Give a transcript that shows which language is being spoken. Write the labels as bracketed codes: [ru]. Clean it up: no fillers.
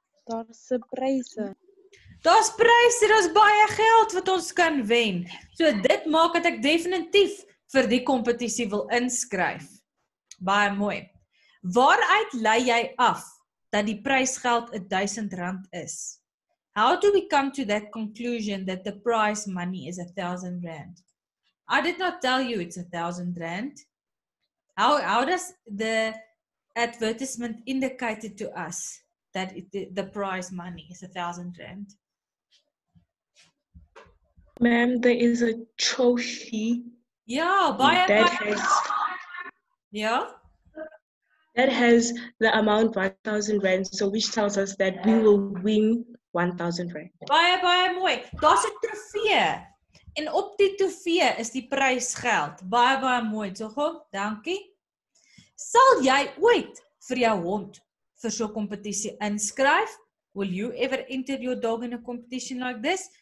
[af] Daar is se pryse. Daar is pryse, daar is baie geld wat ons kan wen. So dit maak dat ek definitief vir die competitie wil inskryf. Baie mooi. Waaruit lei jy af dat die prysgeld R1000 is? [en] How do we come to that conclusion that the prize money is R1000? I did not tell you it's R1000. How does the advertisement indicate to us that the prize money is R1000? Ma'am, there is a trophy. [af] Ja, baie, [en] that [af] baie. [en] That has the amount R1000, so which tells us that we will win R1000. [af] Baie, baie mooi. Da's 'n trofee. En op die trofee is die prysgeld. Baie, baie mooi. So goed, dankie. Sal jy ooit vir jou hond vir so'n competitie inskryf? [en] Will you ever enter your dog in a competition like this?